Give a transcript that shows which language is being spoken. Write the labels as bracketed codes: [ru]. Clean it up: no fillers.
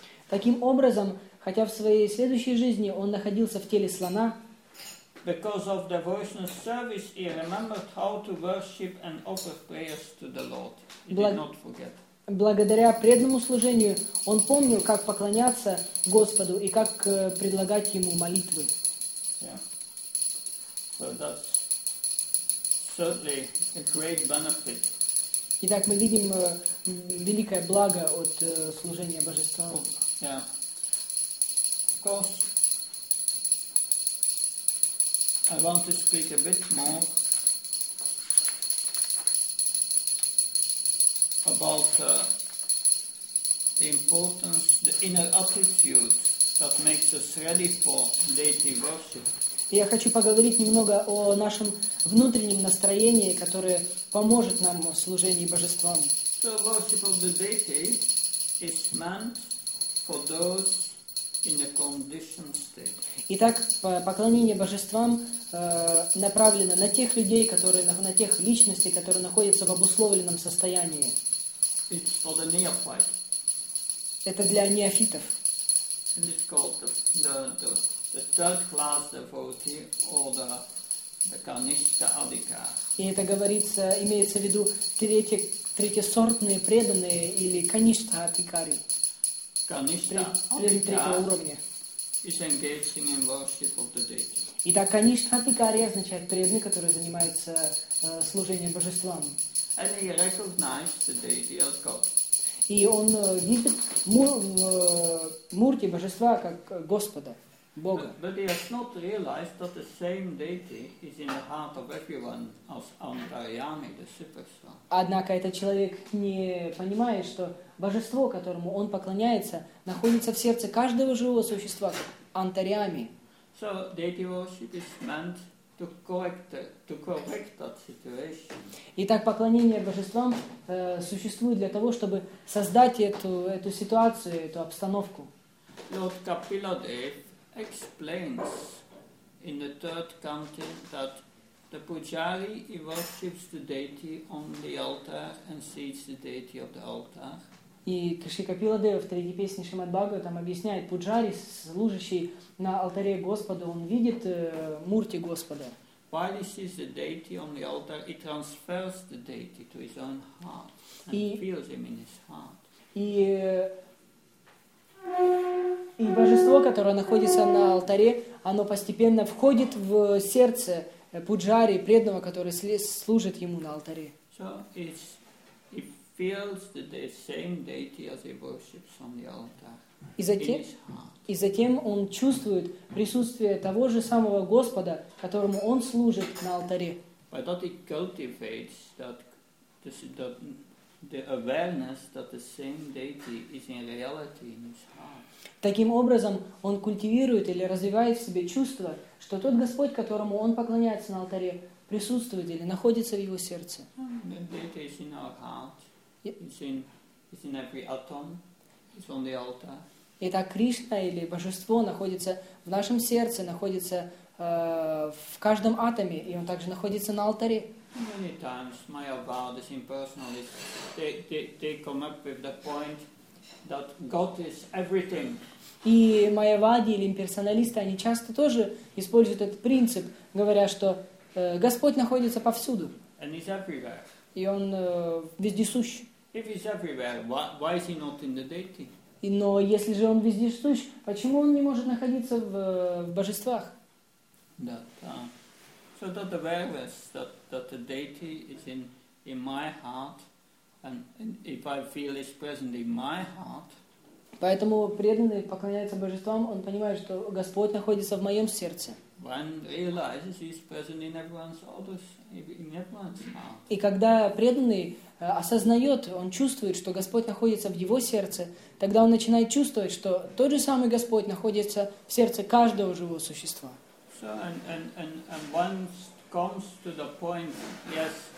[ru] Таким образом, хотя в своей следующей жизни он находился в теле слона, [en] because of devotional service, he remembered how to worship and offer prayers to the Lord. He did not forget. [ru] Благодаря преданному служению он помнил, как поклоняться Господу и как предлагать ему молитвы. [en] Yeah. So that's certainly a great benefit. [ru] Итак, мы видим великое благо от служения Божества. [en] Yeah. Of course. I want to speak a bit more about the importance, the inner attitude that makes us ready for deity worship. [ru] Я хочу поговорить немного о нашем внутреннем настроении, которое поможет нам в служении божествам. [en] So worship of the deity is meant for those in a condition state. [ru] Итак, поклонение божествам направлено на тех людей, которые на тех личностей, которые находятся в обусловленном состоянии. [en] It's for the neophyte. [ru] Это для неофитов. [en] And it's called the third class devotee or the Kanishtha Adhikara. [ru] И это говорится, имеется в виду третьесортные преданные или Kanishtha Adhikari. [en] Kanishtha Adhikara is engaging in worship of the deity. [ru] Итак, Kanishtha Adhikari означает преданный, который занимается служением божествам. [en] And he recognized the deity as God. [ru] И он видит мурти божества как Господа, Бога. [en] But he has not realized that the same deity is in the heart of everyone as Antaryami, the superstar. [ru] Однако этот человек не понимает, что божество, которому он поклоняется, находится в сердце каждого живого существа, как Антарями. [en] So deity worship is meant to correct that situation. [ru] Итак, поклонение божествам существует для того, чтобы создать эту ситуацию, эту обстановку. [en] Lord Kapila Dev explains in the third canto that the pujari worships the deity on the altar and sees the deity of the altar. [ru] И Кришна Капила Дева в третьей песне Шримад Бхагава там объясняет, пуджари, служащий на алтаре Господа, он видит мурти Господа. [en] While he sees the deity on the altar, he transfers the deity to his own heart and feels him in his heart. [ru] И божество, которое находится на алтаре, оно постепенно входит в сердце пуджари, преданного, который служит ему на алтаре. [en] So it's feels the same deity as he worships on the altar. [ru] И затем он чувствует присутствие того же самого Господа, которому он служит на алтаре. [en] By that he cultivates the awareness that the same deity is in reality in his heart. [ru] Таким образом он культивирует или развивает в себе чувство, что тот Господь, которому он поклоняется на алтаре, присутствует или находится в его сердце. [en] The deity is in our heart. It's in every atom. It's on the altar. [ru] Итак, Кришна или Божество находится в нашем сердце, находится в каждом атоме, и он также находится на алтаре. [en] Many times my avadas impersonalists they come up with the point that God is everything. [ru] И мои авади или имперсоналисты они часто тоже используют этот принцип, говоря, что Господь находится повсюду. [en] And he's everywhere. [ru] И он вездесущ. [en] If he's everywhere, why is he not in the deity? [ru] Но если же он вездесущ, почему он не может находиться в божествах? [en] So that awareness that the deity is in my heart, and if I feel it's present in my heart. [ru] Поэтому преданный поклоняется божествам, он понимает, что Господь находится в моем сердце. [en] When realizes he's present in everyone's others, in everyone's heart. [ru] И когда преданный осознает, он чувствует, что Господь находится в его сердце, тогда он начинает чувствовать, что тот же самый Господь находится в сердце каждого живого существа. [en] So, and once comes to the point, yes,